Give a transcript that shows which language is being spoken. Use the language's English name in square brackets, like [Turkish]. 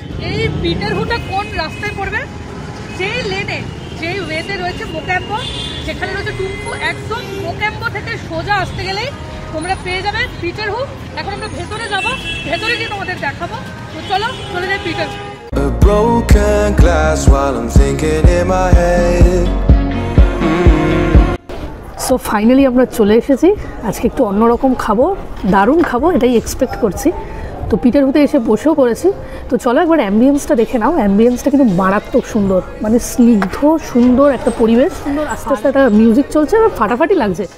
[Bangla] এই পিটারহুটা কোন রাস্তায় পড়বে? যেই লেনে, যেই ওয়েতে রয়েছে মোকাম্বো, সেখানে রয়েছে টুম্পু, একদম মোকাম্বো থেকে সোজা আসতে গেলেই তোমরা পেয়ে যাবে পিটারহু। এখন আমরা ভেতরে যাব, ভেতরে গিয়ে তোমাদের দেখাবো। তো চলো চলে যাই পিটারহু। [English] Broken glass while I'm thinking in my head. [Bangla] তো ফাইনালি আমরা চলে এসেছি, আজকে একটু অন্যরকম খাবো, দারুণ খাবো এটাই এক্সপেক্ট করছি। তো পিটারহুতে এসে বসেও পড়েছি। তো চলো একবার অ্যাম্বিয়েন্সটা দেখে নাও। অ্যাম্বিয়েন্সটা কিন্তু মারাত্মক সুন্দর, মানে স্নিগ্ধ সুন্দর একটা পরিবেশ, সুন্দর আস্তে আস্তে একটা মিউজিক চলছে, আর ফাটাফাটি লাগছে।